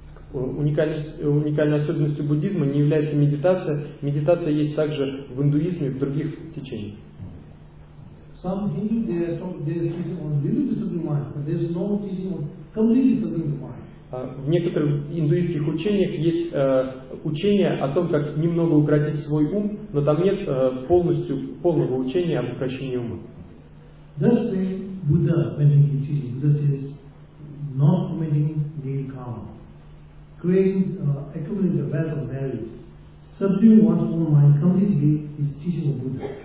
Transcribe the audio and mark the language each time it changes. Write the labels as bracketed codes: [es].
[ru] Уникальной особенностью буддизма не является медитация. Медитация есть также в индуизме, в других течениях. [en] Some Hindu, they are talking, they are teaching on little disciplined mind, but there is no teaching on completely disciplined mind. [ru] В некоторых индуистских учениях есть учение о том, как немного укротить свой ум, но там нет полностью полного учения об укрощении ума. [en] Thus say Buddha when he teaches, Buddha says, not committing male karma, creating accumulating the wealth of merit, subduing one's own mind completely is teaching of Buddha.